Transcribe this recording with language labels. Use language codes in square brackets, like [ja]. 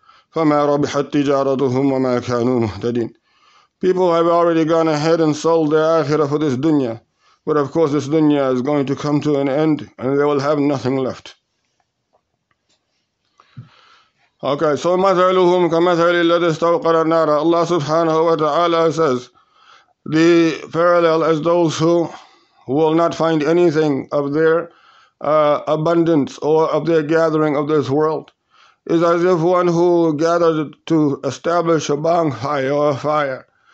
[ar] فما ربحت تجارتهم وما كانوا مهتدين. [en] People have already gone ahead and sold their akhirah for this dunya. But of course this dunya is going to come to an end and they will have nothing left. Okay, so [ar] مثلهم كمثل الذي استوقد النار. [en] Allah subhanahu wa ta'ala says, the parallel as those who will not find anything of their abundance or of their gathering of this world is as if one who gathered to establish a bonfire or a fire.